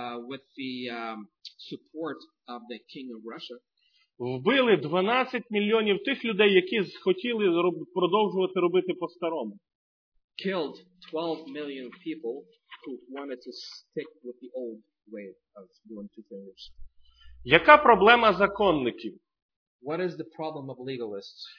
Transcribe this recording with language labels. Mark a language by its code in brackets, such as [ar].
[en] with the support of the king of Russia, [uk] вбили 12 мільйонів тих людей, які хотіли продовжувати робити по-старому. [en] Killed 12 million people who wanted to stick with the old way of doing two fingers. [uk] Яка проблема законників? [en] What is the problem of legalists?